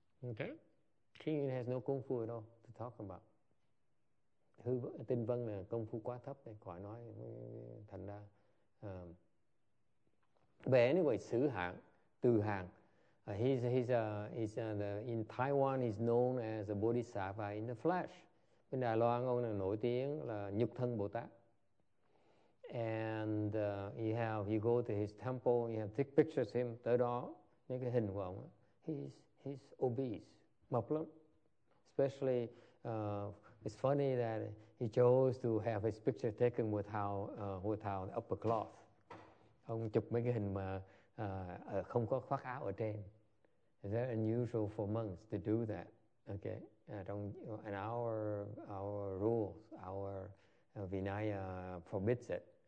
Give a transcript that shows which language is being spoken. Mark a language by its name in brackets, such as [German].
[English] Okay. Xing Yun has no kung fu at all to talk about. [Vietnamese] Tinh Vân là kung fu quá thấp, khỏi nói. Thành ra. But anyway, Sử Hạng, Từ Hạng. [English] In Taiwan he's known as a bodhisattva in the flesh. [Vietnamese] Bên Đài Loan ông là nổi tiếng là nhục thân Bồ Tát. [English] And you go to his temple, you have thick pictures of him. [Vietnamese] Tới đó những cái hình của ông, [English] he's obese, [Vietnamese] mập lắm. [English] Especially it's funny that he chose to have his picture taken without an upper cloth. [Vietnamese] Ông chụp mấy cái hình mà không có khoác áo ở trên. [English] Is that unusual for monks to do that? Okay, and our rules, our Vinaya forbids it.